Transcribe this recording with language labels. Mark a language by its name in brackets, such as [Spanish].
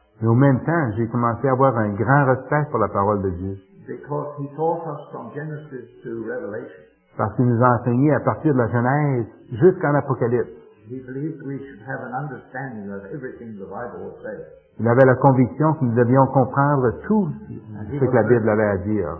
[French] Mais au même temps, j'ai commencé à avoir un grand respect pour la parole de Dieu. [English] Because he taught us from Genesis to Revelation. [French] Parce qu'il nous a enseigné à partir de la Genèse jusqu'en Apocalypse. [English] He believed we should have an understanding of everything the Bible would say. [French] Il avait la conviction que nous devions comprendre tout ce que la Bible avait à dire.